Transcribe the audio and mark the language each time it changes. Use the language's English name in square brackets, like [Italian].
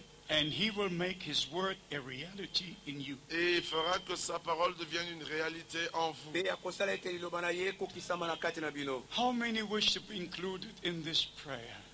[English] And He will make His word a reality in you. [French] Et il fera que sa parole devienne une réalité en vous. [English] How many wish to be included in this prayer?